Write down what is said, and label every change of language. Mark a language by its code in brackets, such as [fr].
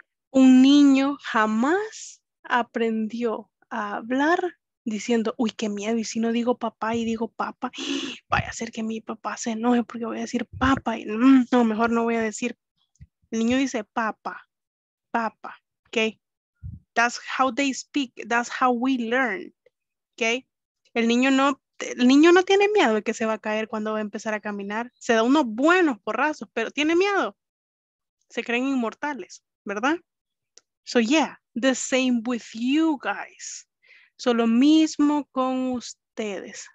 [es] Un niño jamás aprendió a hablar diciendo, uy, qué miedo, y si no digo papá y digo papa, vaya a ser que mi papá se enoje porque voy a decir papa, y no, mejor no voy a decir. El niño dice papa, papa, okay? [en] That's how they speak, that's how we learn, okay? [es] El niño no tiene miedo de que se va a caer cuando va a empezar a caminar, se da unos buenos porrazos, pero tiene miedo, se creen inmortales, ¿verdad? [en] So yeah, the same with you guys. [es] So lo mismo con ustedes.